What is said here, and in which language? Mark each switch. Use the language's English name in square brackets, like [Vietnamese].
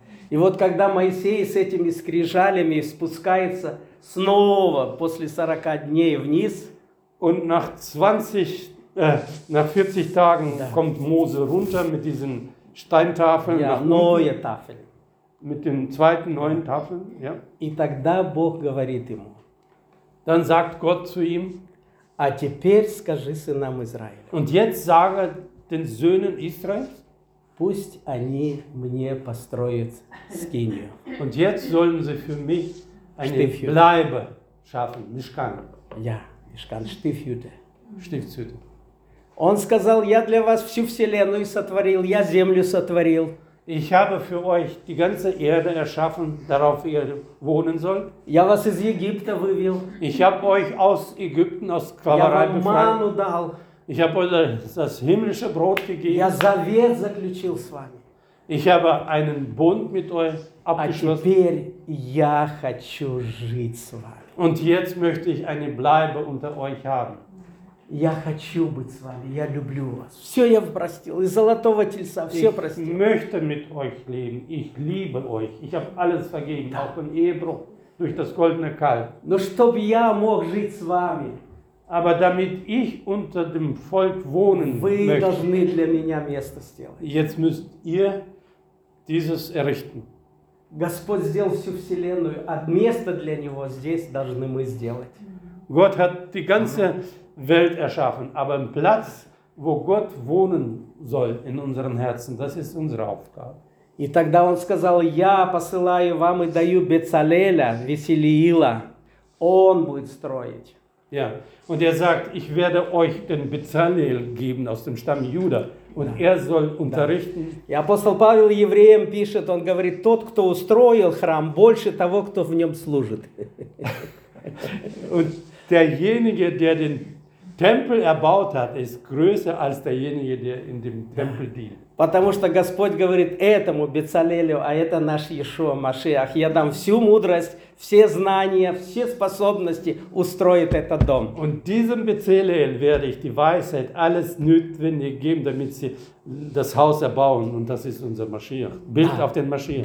[Russian] И вот когда Моисей с этими скрижалями спускается снова после 40 дней вниз, [German] und nach 40 Tagen да. Kommt Mose runter mit diesen Steintafeln, ja, neue Tafeln. Mit den zweiten neuen Tafeln, ja. [Russian] И тогда Бог говорит ему. [German] Dann sagt Gott zu ihm: [Russian] "А теперь скажи сынам Израиля." [German] Und jetzt sage den Söhnen Israels: [Russian] пусть они мне построят скинию. [German] Und jetzt sollen sie für mich eine Stiftjüte. Bleibe schaffen, Mishkan. Ja, Mishkan, Stiftshütte. Stiftshütte. [Russian] Он сказал: я для вас всю вселенную сотворил, я землю сотворил. [German] Ich habe für euch die ganze Erde erschaffen, darauf ihr wohnen sollt. [Russian] Я вас из Египта вывел. [German] Ich habe euch aus Ägypten, aus Sklaverei befreit. [Russian] Я вам ману дал. [German] Ich habe euch das himmlische Brot gegeben. [Russian] Я завет заключил с вами. [German] Ich habe einen Bund mit euch abgeschlossen. [Russian] А теперь я хочу жить с вами. [German] Und jetzt möchte ich eine Bleibe unter euch haben. [Russian] Я хочу быть с вами, я люблю вас. Все я простил, из золотого тельца все [German] ich [Russian] простил. [German] Ich möchte mit euch leben, ich liebe euch. Ich habe alles vergeben, da. Auch den Ehebruch durch das goldene Kalb. [Russian] Но чтобы я мог жить с вами. [German] Aber damit ich unter dem Volk wohnen [Russian] вы [German] möchte. [Russian] Вы должны для меня место сделать. [German] Jetzt müsst ihr dieses errichten. [Russian] Господь сделал всю вселенную, а место для него здесь должны мы сделать. [German] Gott hat die ganze Welt erschaffen, aber ein Platz, wo Gott wohnen soll in unseren Herzen, das ist unsere Aufgabe. [Russian] И тогда он сказал: Я посылаю вам и даю Бецалеля, Веселиила. Он будет строить. [German] Ja, und er sagt: Ich werde euch den Bezalel geben aus dem Stamm Juda. Und er soll unterrichten. [Russian] И апостол Павел евреям пишет, он говорит, тот, кто устроил храм, больше того, кто в нем служит. [German] Und derjenige, der den Tempel erbaut hat, ist größer als derjenige, der in dem Tempel dient. [Russian] Потому что Господь говорит этому Бецалелю, а это наш Иешуа Машиах, я дам всю мудрость, все знания, все способности устроить этот дом. [German] Und diesem Bezalel werde ich die Weisheit, alles Notwendige geben, damit sie das Haus erbauen. Und das ist unser Машиах. Bild auf den Машиах.